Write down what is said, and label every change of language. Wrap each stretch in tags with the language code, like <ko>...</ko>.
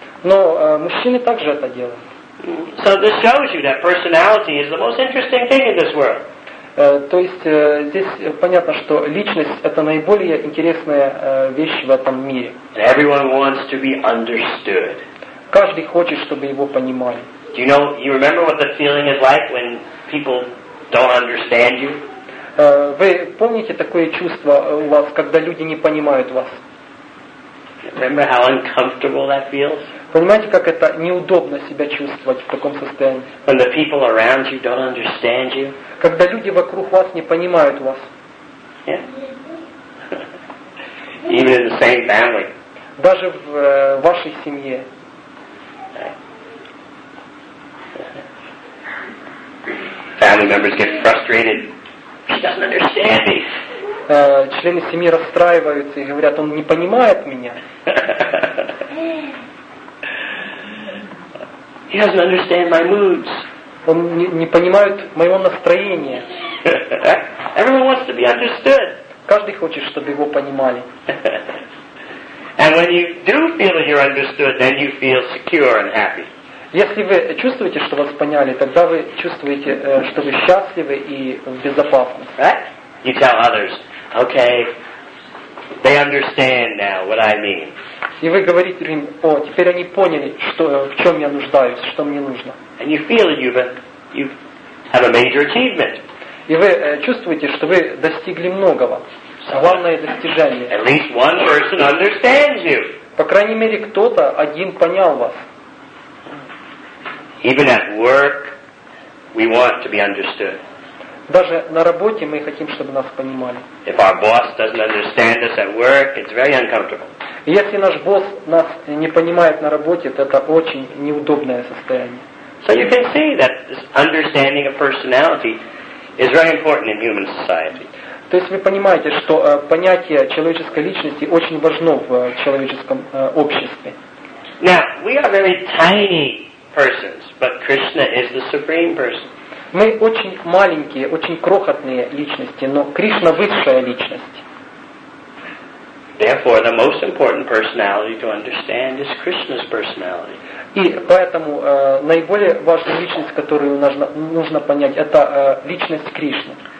<ru>Но мужчины также это делают.</ru> <en>So this shows you that personality is the most interesting thing in this world.</en> <ru>То есть здесь понятно, что личность это наиболее интересная вещь в этом мире.</ru> <en>Everyone wants to be understood.</en> <ru>Каждый хочет, чтобы его понимали.</ru> <en>Do you know, you remember what the feeling is like when people don't understand you?</en> <ru>Вы помните такое чувство у вас, когда люди не понимают вас?</ru> <en>Remember how uncomfortable that feels?</en> <ru>Понимаете, как это неудобно себя чувствовать в таком состоянии?</ru> <en>When the people around you don't understand you?</en> <ru>Когда люди вокруг вас не понимают вас.</ru> <en>Yeah. Even in the same family.</en> <ru>Даже в вашей семье.</ru> <en>Family members get frustrated. He doesn't understand me.</en> <ru>Члены семьи расстраиваются и говорят, он не понимает меня.</ru> <en>He doesn't understand my moods.</en> <ru>Он не понимает моего настроения.</ru> <en>Everyone wants to be understood.</en> <ru>Каждый хочет, чтобы его понимали.</ru> <en>And when you do feel that you're understood, then you feel secure and happy.</en> <ru>Если вы чувствуете, что вас поняли, тогда вы чувствуете, что вы счастливы и в безопасности.</ru> <en>Right? You tell others, okay, they understand now what I mean.</en> <ru>И вы говорите им, о, теперь они поняли, что, в чем я нуждаюсь, что мне нужно.</ru> <en>And you feel that you have a major achievement.</en> <ru>И вы чувствуете, что вы достигли многого. Главное достижение.</ru> <en>At least one person understands you.</en> <ru>По крайней мере, кто-то один понял вас.</ru> <en>Even at work, we want to be understood.</en> <ru>Даже на работе мы хотим, чтобы нас понимали.</ru> <en>If our boss doesn't understand us at work, it's very uncomfortable.</en> <ru>Если наш босс нас не понимает на работе, то это очень неудобное состояние.</ru> <en>So you can see that this understanding of personality is very important in human society.</en> <ru>То есть вы понимаете, что понятие человеческой личности очень важно в человеческом обществе.</ru> <en>Now, we are very tiny persons, but Krishna is the supreme person.</en> <ru>Мы очень маленькие, очень крохотные личности, но Кришна высшая личность.</ru> <en>Therefore, the most important personality to understand is Krishna's personality.</en> <ru>И поэтому наиболее важная личность, которую нужно понять, это личность Кришны.</ru>